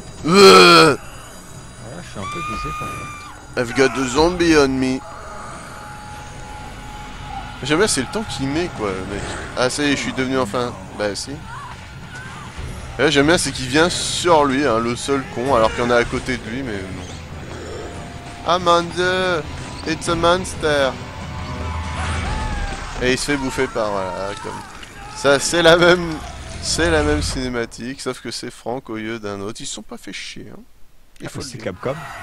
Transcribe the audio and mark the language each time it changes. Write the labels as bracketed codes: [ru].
[fr] Je suis un peu blessé par [en] là. I've got the zombie on me. [fr] J'aime bien, c'est le temps qu'il met, quoi, le mec. Ah ça y est, je suis devenu enfin. Bah si. Et là, j'aime bien, c'est qu'il vient sur lui, hein, le seul con, alors qu'il y en a à côté de lui, mais non. Ah mon dieu, [en] it's a monster. [fr] Et il se fait bouffer par, voilà, comme... Ça, c'est la même cinématique, sauf que c'est Franck au lieu d'un autre. Ils sont pas fait chier, hein. Il faut c'est Capcom.